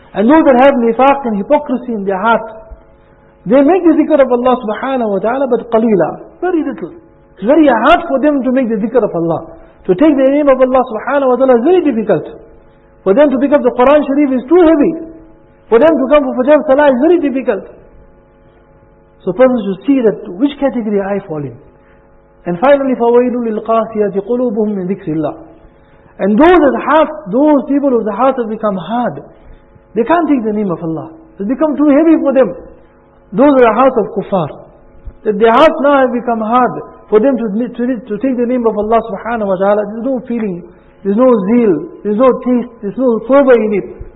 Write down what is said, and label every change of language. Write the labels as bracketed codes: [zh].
[en] And those that have nifaq and hypocrisy in their heart, they make the dhikr of Allah subhanahu wa ta'ala, but qaleela, very little. It's very hard for them to make the dhikr of Allah. To take the name of Allah subhanahu wa ta'ala is very difficult. For them to pick up the Quran Sharif is too heavy. For them to come for Fajr Salah is very difficult. So persons should see that which category I fall in. And finally, [ar] فَوَيْلُ لِلْقَاسِيَةِ قُلُوبُهُمْ مِنْ ذِكْرِ اللَّهِ. [en] And those people of the heart have become hard. They can't take the name of Allah. It's become too heavy for them. Those are the hearts of kuffar. That their hearts now have become hard. For them to take the name of Allah subhanahu wa ta'ala, there's no feeling, there's no zeal, there's no taste, there's no fervor in it.